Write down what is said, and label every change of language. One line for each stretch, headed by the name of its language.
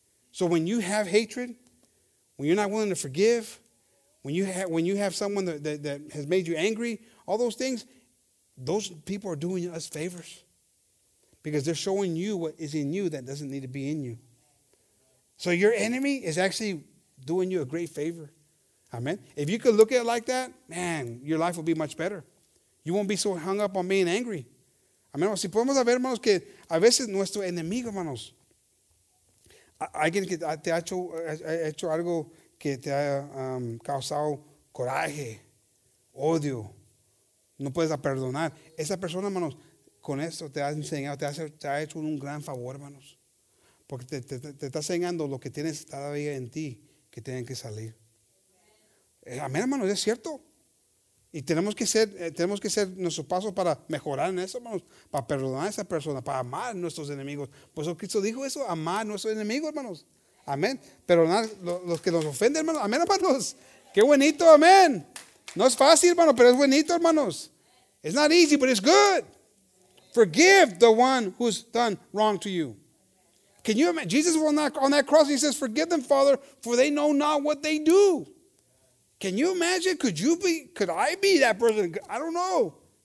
English: So when you have hatred, when you're not willing to forgive, when you have someone that has made you angry, all those things, those people are doing us favors. Because they're showing you what is in you that doesn't need to be in you. So your enemy is actually doing you a great favor. Amen. If you could look at it like that, man, your life will be much better. You won't be so hung up on being angry.
Spanish: Amén. Si podemos ver, hermanos, que a veces nuestro enemigo, hermanos, alguien que te ha hecho algo que te ha causado coraje, odio, no puedes perdonar. Esa persona, hermanos, con esto te ha enseñado, te ha hecho un gran favor, hermanos. Porque te está enseñando lo que tienes todavía en ti que tienen que salir. Amén, hermanos, es cierto. Y tenemos que ser nuestros pasos para mejorar en eso, hermanos. Para perdonar a esa persona, para amar a nuestros enemigos. Por eso Cristo dijo eso, amar a nuestros enemigos, hermanos. Amén. Perdonar los que nos ofenden, hermanos. Amén, hermanos. Qué bonito, amén. No es fácil, hermano, pero es bonito, hermanos.
English: It's not easy, but it's good. Forgive the one who's done wrong to you. Can you imagine? Jesus was on that cross. He says, forgive them, Father, for they know not what they do. Can you imagine? Could I be that person? I don't know.